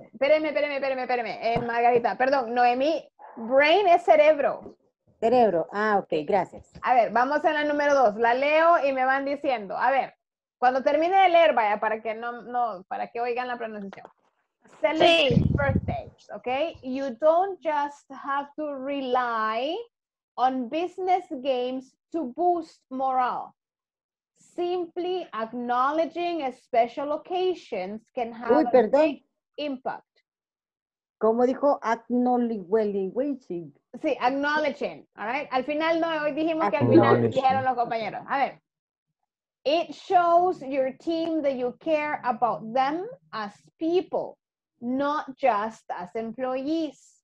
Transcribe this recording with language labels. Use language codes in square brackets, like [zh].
[es] Espéreme. Margarita, perdón, Noemí. Brain es cerebro. Cerebro. Ah, ok, gracias. A ver, vamos a la número dos. La leo y me van diciendo. A ver, cuando termine de leer, vaya, para que no, para que oigan la pronunciación. [en] Celebrate birthdays, ok. You don't just have to rely on business games to boost morale. Simply acknowledging special occasions can have a big impact. [es] ¿Cómo dijo? Acknowledging. [en] Sí, acknowledging. All right. [es] Al final, no, hoy dijimos que al final dijeron los compañeros. A ver. [en] It shows your team that you care about them as people, not just as employees.